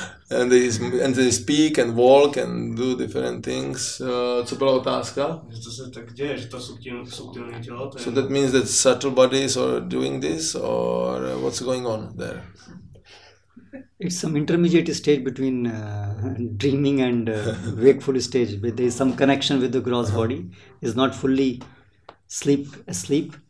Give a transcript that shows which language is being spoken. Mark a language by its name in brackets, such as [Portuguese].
[English] and they speak and walk and do different things. [Czech] Co byla otázka? To se tak děje, že to subtilní tělo, to je... [English] So that means that subtle bodies are doing this or what's going on there? It's some intermediate stage between dreaming and wakeful stage. But there is some connection with the gross body. It's not fully asleep.